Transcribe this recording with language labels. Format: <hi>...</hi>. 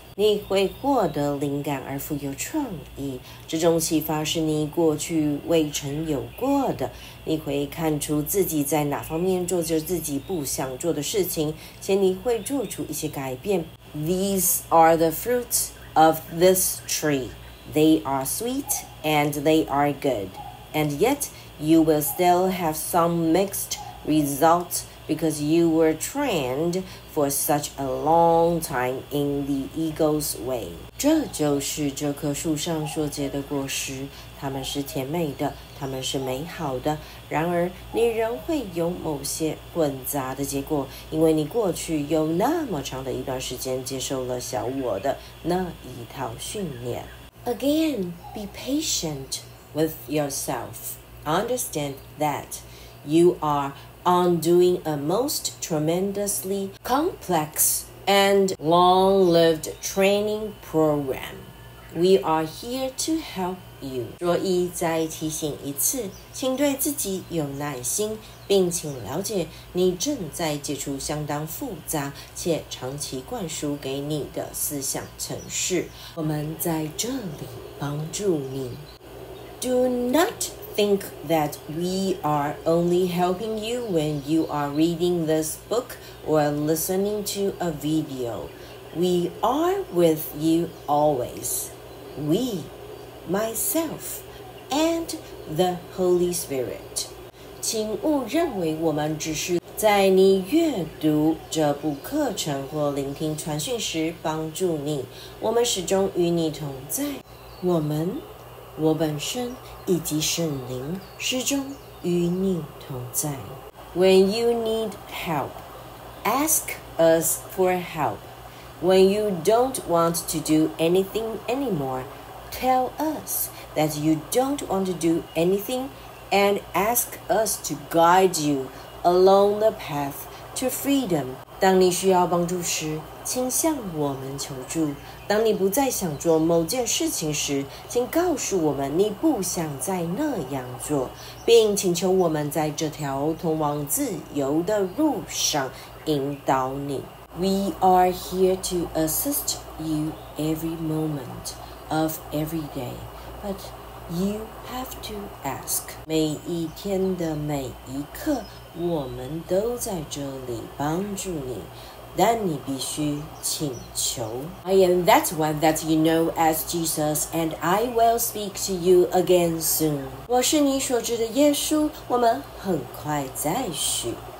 <zh>你会获得灵感而富有创意，这种启发是你过去未曾有过的。你会看出自己在哪方面做着自己不想做的事情，且你会做出一些改变。</zh> <en>These are the fruits of this tree. They are sweet and they are good. And yet, you will still have some mixed results because you were trained for such a long time in the ego's way.</en> <zh>这就是这棵树上所结的果实，它们是甜美的，它们是美好的。然而，你仍会有某些混杂的结果，因为你过去有那么长的一段时间接受了小我的那一套训练。</zh> <en>Again, be patient with yourself. Understand that you are undoing a most tremendously complex and long-lived training program. We are here to help you.</en> <zh>若一再提醒一次，请对自己有耐心，并请了解你正在接触相当复杂且长期灌输给你的思想程式。我们在这里帮助你。</zh> <en>Do not think that we are only helping you when you are reading this book or listening to a video. We are with you always. We, myself, and the Holy Spirit.</en> <zh>请勿认为我们只是在你阅读这部课程或聆听传讯时帮助你，我们始终与你同在。我们，我本身以及圣灵始终与你同在。</zh> <en>When you need help, ask us for help. When you don't want to do anything anymore, tell us that you don't want to do anythingAnd ask us to guide you along the path to freedom.</en> <zh>当你需要帮助时，请向我们求助。当你不再想做某件事情时，请告诉我们你不想再那样做，并请求我们在这条通往自由的路上引导你。</zh> <en>We are here to assist you every moment of every day, but. You have to ask.</en> <zh>每一天的每一刻，我们都在这里帮助你，但你必须请求。</zh> <en>I am that one that you know as Jesus, and I will speak to you again soon.</en> <zh>我是你所知的耶稣，我们很快再续。</zh>